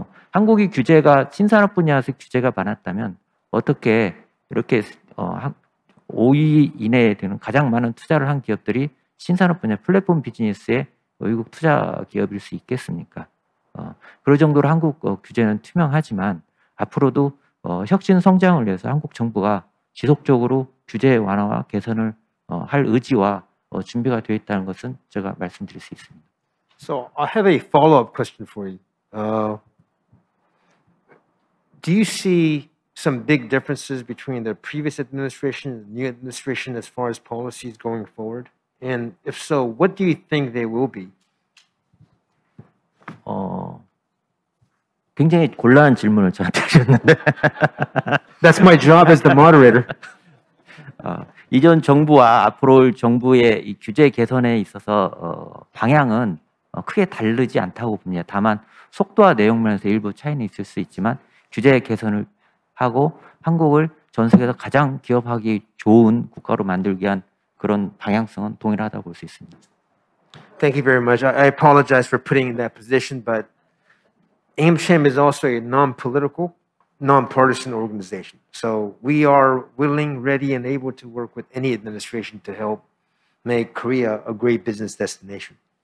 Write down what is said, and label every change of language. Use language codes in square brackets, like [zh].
[ko] 한국이 규제가 신산업 분야에서 규제가 많았다면 어떻게 이렇게 5위 이내에 드는 가장 많은 투자를 한 기업들이 신산업 분야 플랫폼 비즈니스의 외국 투자 기업일 수 있겠습니까? 그럴 정도로 한국 규제는 투명하지만 앞으로도 혁신 성장을 위해서 한국 정부가 지속적으로 규제 완화와 개선을 할 의지와 준비가 되어 있다는 것은 제가 말씀드릴 수 있습니다. [en] So I have a follow-up question for you. Do you see some big differences between the previous administration and the new administration as far as policies going forward? And if so, what do you think they will be? [ko] 굉장히 곤란한 질문을 저한테 하셨는데. [en] That's my job as the moderator. [ko] 이전 정부와 앞으로 정부의 이 규제 개선에 있어서 방향은 크게 다르지 않다고 봅니다. 다만 속도와 내용 면에서 일부 차이는 있을 수 있지만 규제 개선을 하고 한국을 전 세계에서 가장 기업하기 좋은 국가로 만들기 위한 그런 방향성은 동일하다고 볼 수 있습니다. [en] Thank you very much. I apologize for putting in that position, but AMCHAM is also a non-political, non-partisan organization. So we are willing, ready, and able to work with any administration to help make Korea a great business destination.